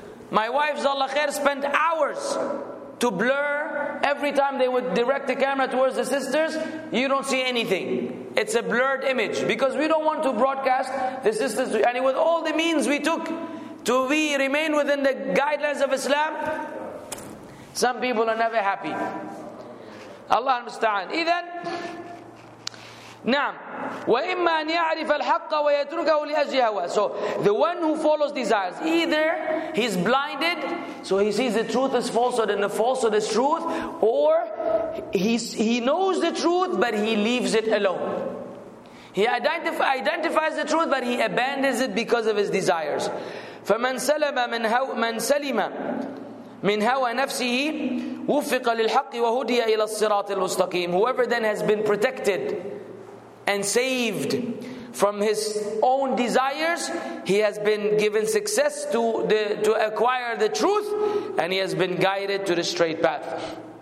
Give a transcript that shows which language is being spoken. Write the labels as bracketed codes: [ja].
[en] My wife, Zallah Khair, spent hours to blur every time they would direct the camera towards the sisters. You don't see anything. It's a blurred image. Because we don't want to broadcast the sisters. And with all the means we took to remain within the guidelines of Islam, some people are never happy. [ar] Allah musta'an. Idhan, نعم وإما أن يعرف الحق ويتركه لأجل هوى. [en] So the one who follows desires, either he's blinded, so he sees the truth is falsehood and the falsehood is truth, or he knows the truth but he leaves it alone. He identifies the truth but he abandons it because of his desires. [ar] فمن سلم من هوى من سلم من هوى نفسه وفق للحق وهدي إلى الصراط المستقيم. [en] Whoever then has been protected and saved from his own desires, he has been given success to acquire the truth, and he has been guided to the straight path.